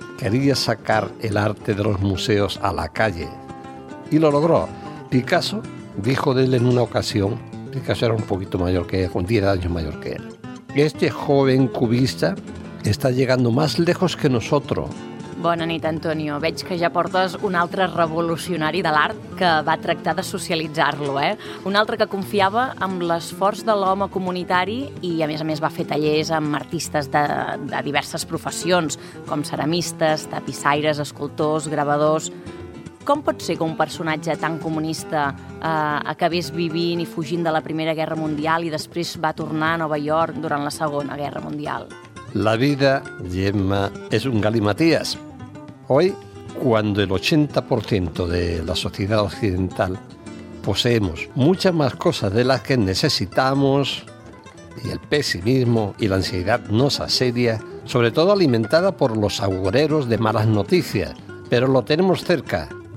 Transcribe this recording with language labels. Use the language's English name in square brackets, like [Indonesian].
[Spanish] Quería sacar el arte de los museos a la calle. Y lo logró. Picasso dijo de él en una ocasión, Picasso era un poquito mayor que él, 10 años mayor que él, este joven cubista está llegando más lejos que nosotros. [Catalan] Bona nit, Antonio. Veig que ja portes un altre revolucionari de l'art que va tractar de socialitzar-lo, eh? Un altre que confiava en l'esforç de l'home comunitari i, a més, va fer tallers amb artistes de diverses professions, com ceramistes, tapissaires, escultors, gravadors... Com pot ser que un personatge tan comunista acabés vivint i fugint de la Primera Guerra Mundial i després va tornar a Nova York durant la Segona Guerra Mundial? [Spanish] La vida, Gemma, es un galimatías. Hoy, cuando el 80% de la sociedad occidental poseemos muchas más cosas de las que necesitamos, y el pesimismo y la ansiedad nos asedia, sobre todo alimentada por los agoreros de malas noticias, pero lo tenemos cerca.